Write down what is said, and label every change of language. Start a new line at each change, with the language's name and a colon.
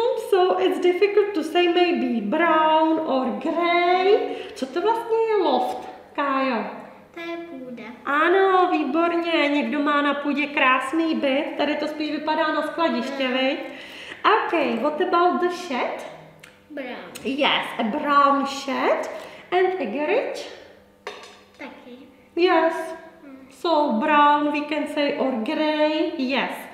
English: So it's difficult to say, maybe brown or grey.
Czech: Co to vlastně je loft, Kájo? To je půda. Ano, výborně, někdo má na půdě krásný byt, tady to spíš vypadá na skladiště, viď?
English: Ok, what about the shed? Brown. Yes, a brown shed and a garage?
Czech: Taky.
English: Yes, so brown we can say or grey, yes.